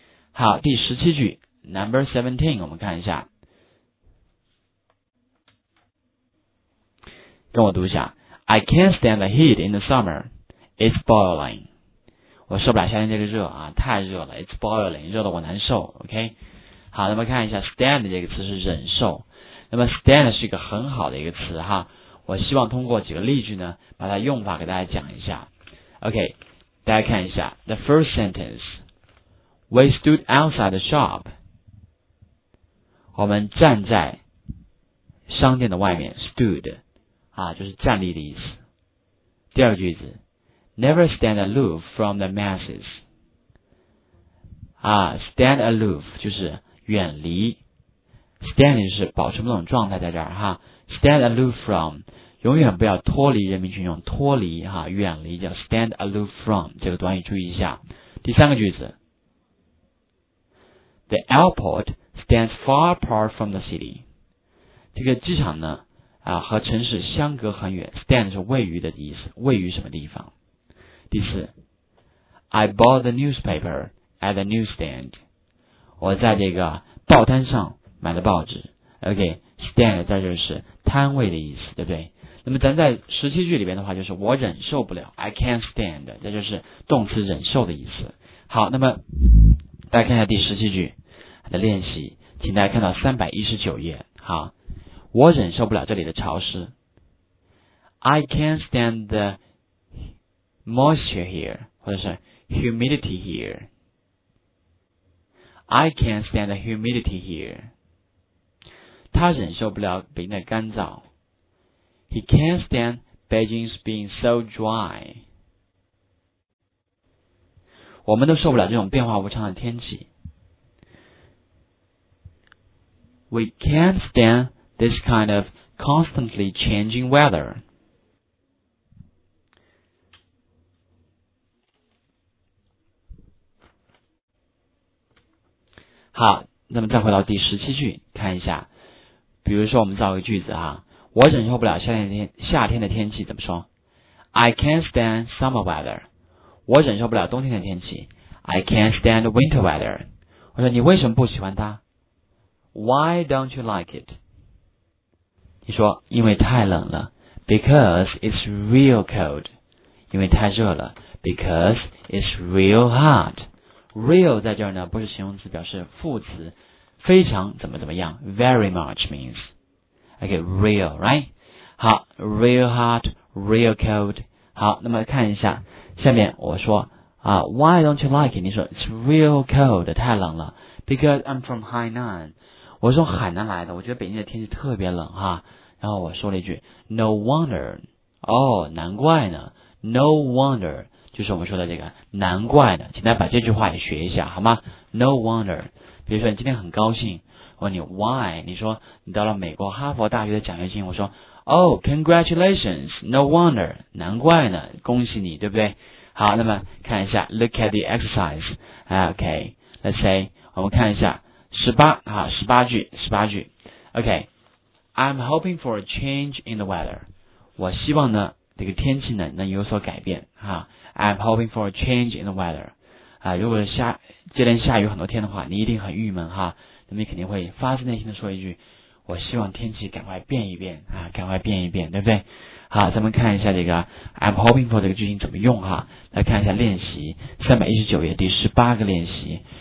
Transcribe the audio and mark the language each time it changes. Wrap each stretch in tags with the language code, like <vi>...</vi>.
<zh>好，第17句</zh> <en>Number 17，</en> <zh>我们看一下。跟我读一下。</zh> <en>I can't stand the heat in the summer. It's boiling.</en> <zh>我受不了夏天这个热啊，太热了。</zh> <en>It's boiling.</en> <zh>热得我难受。OK? 好，那么看一下 stand 这个词是忍受。那么 stand 是一个很好的一个词哈。我希望通过几个例句呢，把它用法给大家讲一下。</zh> <en>OK,</en> <zh>大家看一下。</zh> <en>The first sentence. We stood outside the shop.</en> <zh>我们站在商店的外面 ,stood. 啊，就是站立的意思。第二句子</zh> <en>,never stand aloof from the masses.</en> <zh>啊 ,stand aloof, 就是远离。standing 是保持某种状态在这儿哈。 stand aloof from, 永远不要脱离人民群众，脱离哈，远离叫 stand aloof from, 这个短语注意一下。第三个句子</zh> <en>,the airport stands far apart from the city.</en> <zh>这个机场呢啊，和城市相隔很远 ,stand 是位于的意思，位于什么地方。第四</zh> <en>,I bought the newspaper at the newsstand.</en> <zh>我在这个报摊上买了报纸。OK,stand 在这是摊位的意思，对不对？那么咱在十七句里边的话就是我忍受不了 ,</zh> <en>I can't stand,</en> <zh>这就是动词忍受的意思。好，那么大家看一下第十七句的练习，请大家看到319页。好，我忍受不了这里的潮湿。</zh> <en>I can't stand the moisture here, 或者是 humidity here. I can't stand the humidity here.</en> <zh>他忍受不了北京的干燥。</zh> <en>He can't stand Beijing's being so dry.</en> <zh>我们都受不了这种变化无常的天气。</zh> <en>We can't standThis kind of constantly changing weather.</en> <zh>好，那么再回到第十七句看一下。比如说我们造个句子啊，我忍受不了夏天的天气，怎么说？</zh> <en>I can't stand summer weather.</en> <zh>我忍受不了冬天的天气。</zh> <en>I can't stand winter weather.</en> <zh>我说你为什么不喜欢它？</zh> <en>Why don't you like it?</en> <zh>你说因为太冷了</zh> <en>,because it's real cold,</en> <zh>因为太热了</zh> <en>,because it's real hot.</en> <zh>Real 在这儿呢不是形容词，表示副词，非常怎么怎么样 ,</zh> <en>very much means. Okay, real, right? 好 ,real hot, real cold.</en> <zh>好，那么看一下下面我说啊 ,</zh> <en>why don't you like it?</en> <zh>你说</zh> <en>it's real cold,</en> <zh>太冷了</zh> <en>,because I'm from Hainan.</en> <zh>我是从海南来的，我觉得北京的天气特别冷哈。然后我说了一句 No wonder, 哦，难怪呢。 No wonder, 就是我们说的这个难怪的，请大家把这句话也学一下好吗？ No wonder, 比如说你今天很高兴，我问你 why, 你说你到了美国哈佛大学的奖学金，我说</zh> <en>Oh, congratulations, no wonder,</en> <zh>难怪呢，恭喜你，对不对？好，那么看一下</zh> <en>Look at the exercise, OK, let's say,</en> <zh>我们看一下十八句</zh> <en>OK, I'm hoping for a change in the weather.</en> <zh>我希望呢这个天气呢能有所改变哈。</zh> <en>I'm hoping for a change in the weather.</en> <zh>啊，如果是接连下雨很多天的话，你一定很郁闷哈。那么你肯定会发自内心的说一句，我希望天气赶快变一变啊，赶快变一变，对不对？好，咱们看一下这个 I'm hoping for 这个句型怎么用哈。来看一下练习319页第18个练习。</zh>